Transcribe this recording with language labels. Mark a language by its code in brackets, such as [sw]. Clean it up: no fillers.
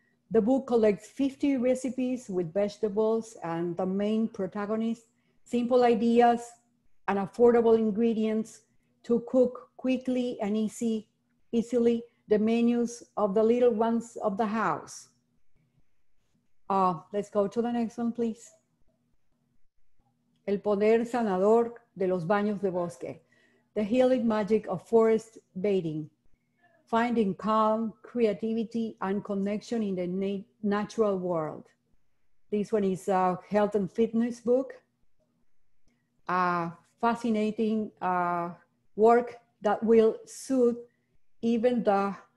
[en] The book collects 50 recipes with vegetables and the main protagonist, simple ideas and affordable ingredients to cook quickly and easily the menus of the little ones of the house. Let's go to the next one, please. [es] El poder sanador de los baños de bosque. [en] The healing magic of forest bathing. Finding calm, creativity, and connection in the natural world. This one is a health and fitness book. Fascinating work that will soothe even the